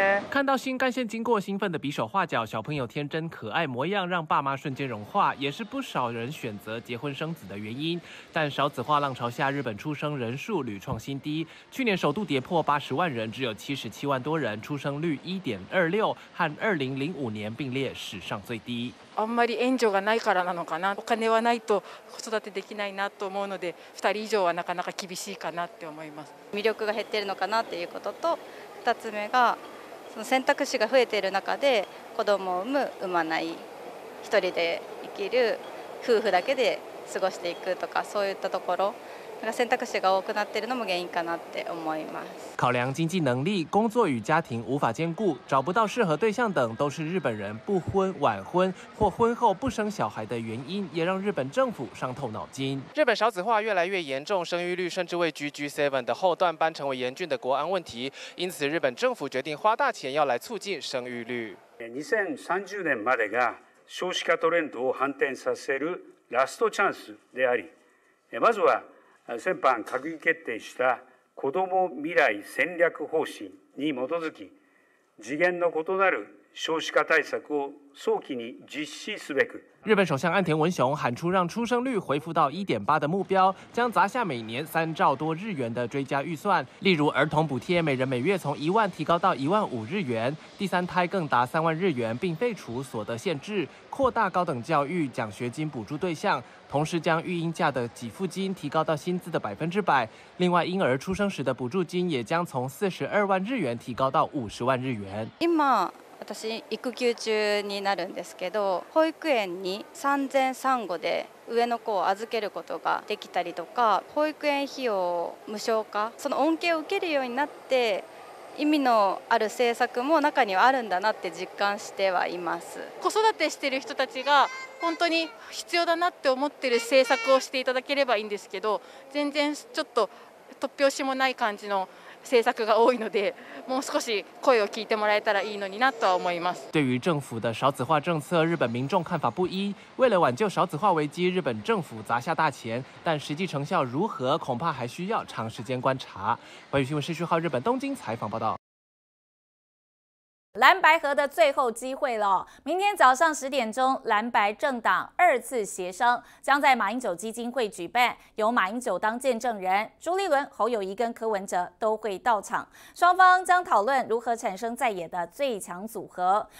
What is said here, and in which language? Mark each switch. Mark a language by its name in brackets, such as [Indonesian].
[Chinese] 看到新干线经过，兴奋的比手画脚，小朋友天真可爱模样让爸妈瞬间融化，也是不少人选择结婚生子的原因。但少子化浪潮下，日本出生人数屡创新低，去年首度跌破80万人，只有77万多人，出生率1.26，和2005年并列史上最低。 [Japanese] あんまり援助がないからなのかな。お金はないと子育てできないなと思うので、2人以上はなかなか厳しいかなって思います。魅力が減ってるのかなっていうことと、2つ目がその選択肢が増えている中で子供を産む、産まない、一人で生きる、夫婦だけで過ごしていくとか、そういったところ。選択肢が多くなっているのも原因かなって思います。 [Chinese] 考量经济能力、工作与家庭无法兼顾、找不到适合对象等、都是日本人不婚、晚婚或婚后不生小孩的原因、也让日本政府伤透脑筋。日本少子化越来越严重、生育率甚至位居 G7 的后段班、成为严峻的国安问题。因此、日本政府决定花大钱要来促进生育率。 [Japanese] 2030年までが少子化トレンドを反転させるラストチャンスであり、まずは先般閣議決定した子ども未来戦略方針に基づき、次元の異なる少子化対策を早期に実施すべく。 [Chinese] 日本首相岸田文雄喊出让出生率回复到 1.8 的目标，将砸下每年3兆多日元的追加预算，例如儿童补贴每人每月从10000提高到15000日元，第三胎更达30000日元，并废除所得限制，扩大高等教育奖学金补助对象，同时将育婴假的给付金提高到薪资的100%。另外，婴儿出生时的补助金也将从42万日元提高到50万日元。 [Japanese] 私育休中になるんですけど、保育園に産前産後で上の子を預けることができたりとか、保育園費用無償化、その恩恵を受けるようになって意味のある政策も中にはあるんだなって実感してはいます。子育てしている人たちが本当に必要だなって思ってる政策をしていただければいいんですけど、全然ちょっと突拍子もない感じの政策が多いので、もう少し声を聞いてもらえたらいいのになとは思います。 [Chinese] 对于政府的少子化政策，日本民众看法不一。为了挽救少子化危机，日本政府砸下大钱，但实际成效如何，恐怕还需要长时间观察。环宇新闻社区号日本东京采访报道。蓝白合的最后机会了，明天早上10点，蓝白政党二次协商将在马英九基金会举办，由马英九当见证人，朱立伦、侯友宜跟柯文哲都会到场，双方将讨论如何产生在野的最强组合。